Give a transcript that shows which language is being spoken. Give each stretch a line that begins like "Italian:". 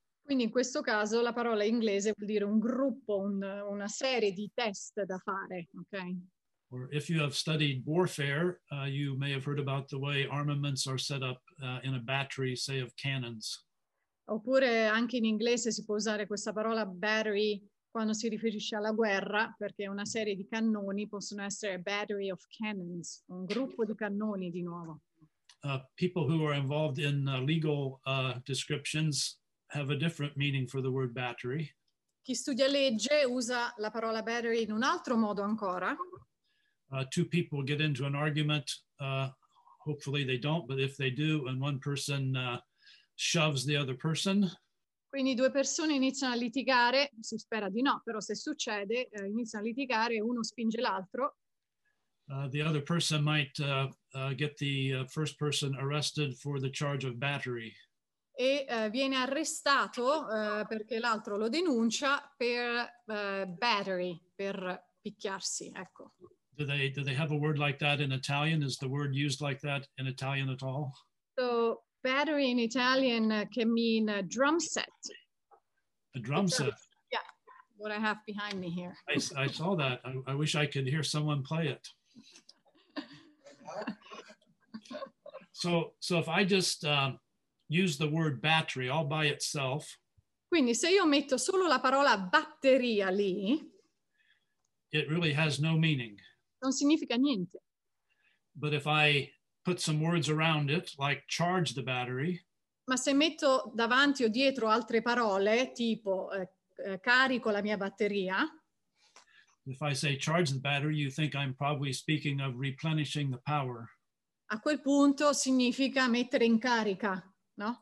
Italian: Quindi in questo caso la parola inglese vuol dire un gruppo, una serie di test da fare, ok?
English: Or if you have studied warfare, you may have heard about the way armaments are set up in a battery, say of cannons.
Italian: Oppure anche in inglese si può usare questa parola battery quando si riferisce alla guerra, perché una serie di cannoni possono essere
English: a battery of cannons,
Italian: un gruppo di cannoni di nuovo.
English: People who are involved in legal descriptions have a different meaning for the word battery.
Italian: Chi studia legge usa la parola battery in un altro modo ancora.
English: Two people get into an argument, hopefully they don't, but if they do, and one person shoves the other person.
Italian: Quindi due persone iniziano a litigare, si spera di no, però se succede, iniziano a litigare, uno spinge l'altro.
English: The other person might get the first person arrested for the charge of battery.
Italian: E viene arrestato perché l'altro lo denuncia per battery, per picchiarsi, ecco.
English: Do they have a word like that in Italian? Is the word used like that in Italian at all? So battery in Italian can mean a drum set. A drum set? Yeah, what I have behind me here. I saw that. I wish I could hear someone play it. So if I just use the word battery all by itself.
Italian: Quindi se io metto solo la parola batteria lì.
English: it really has no meaning.
Italian: Non significa niente.
English: But if I put some words around it, like charge the battery.
Italian: Ma se metto davanti o dietro altre parole, tipo carico la mia batteria.
English: If I say charge the battery, you think I'm probably speaking of replenishing the power.
Italian: A quel punto significa mettere in carica, no?